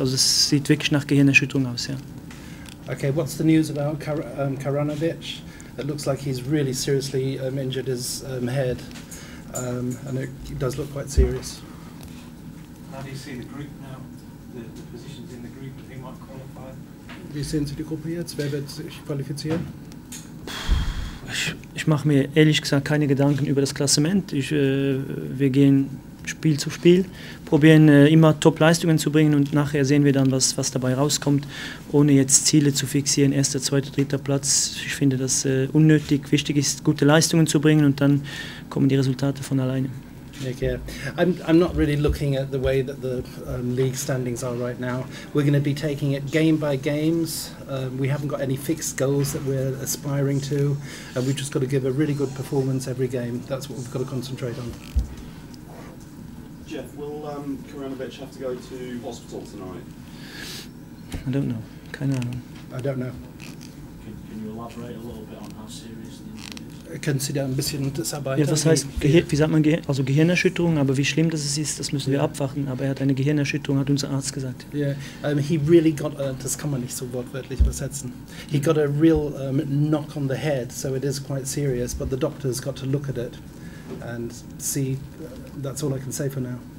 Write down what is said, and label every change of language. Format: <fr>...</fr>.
<de>Also es sieht wirklich nach Gehirnerschütterung aus, ja.</de> <en>Okay, what's the news about Karanovic? It looks like he's really seriously injured his head. And it does look quite serious. How do you see the group now? The positions in the group, if he might qualify?</en> <de>Wie sehen Sie die Gruppe jetzt? Wer wird sich qualifizieren? Ich mache mir ehrlich gesagt keine Gedanken über das Klassement. Wir gehen Spiel zu Spiel, probieren immer Top-Leistungen zu bringen und nachher sehen wir dann, was dabei rauskommt, ohne jetzt Ziele zu fixieren, erster, zweiter, dritter Platz. Ich finde das unnötig. Wichtig ist, gute Leistungen zu bringen und dann kommen die Resultate von alleine.</de> <en>Okay. I'm not really looking at the way that the league standings are right now. We're going to be taking it game by games. We haven't got any fixed goals that we're aspiring to. And we've just got to give a really good performance every game. That's what we've got to concentrate on. Jeff, will Karanovic have to go to hospital tonight? I don't know.</en> <de>Keine Ahnung.</de> <en>I don't know. Can you elaborate a little bit on how serious the injury is?</en> <de>Können Sie da ein bisschen das arbeiten? Ja, das heißt, wie sagt man, also Gehirnerschütterung, aber wie schlimm das ist, das müssen wir abwarten. Aber er hat eine Gehirnerschütterung, hat unser Arzt gesagt. Ja,</de> <en>he really got,</en> <de>das kann man nicht so wortwörtlich übersetzen.</de> <en>He got a real knock on the head, so it is quite serious, but the doctor's got to look at it and see, that's all I can say for now.</en>